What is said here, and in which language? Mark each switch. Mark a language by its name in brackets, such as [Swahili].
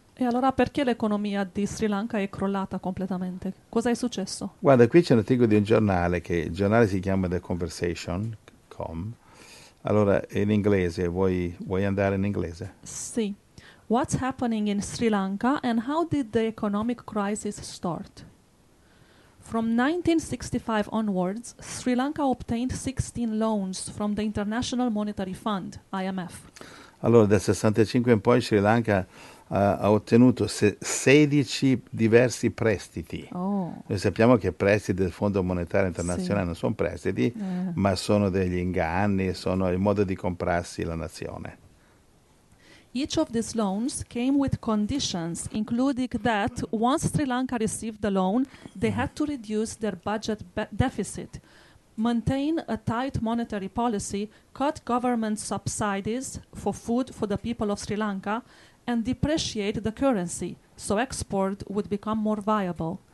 [Italian] E allora perché l'economia di Sri Lanka è crollata completamente? Cosa è successo? Guarda, qui c'è un articolo di un giornale, che il giornale si chiama TheConversation.com. Allora, in inglese, vuoi andare in inglese? Sì. [English] What's happening in Sri Lanka and how did the economic crisis start? From 1965 onwards, Sri Lanka obtained 16 loans from the International Monetary Fund, IMF. [Italian] Allora, dal 65 in poi Sri Lanka ha ottenuto 16 diversi prestiti. Oh. Noi sappiamo che i prestiti del Fondo Monetario Internazionale, sì, non sono prestiti, ma sono degli inganni, sono il modo di comprarsi la nazione. [English] Each of these loans came with conditions, including that once Sri Lanka received the loan, they had to reduce their budget deficit, maintain a tight monetary policy, cut government subsidies for food for the people of Sri Lanka, and depreciate the currency so export would become more viable.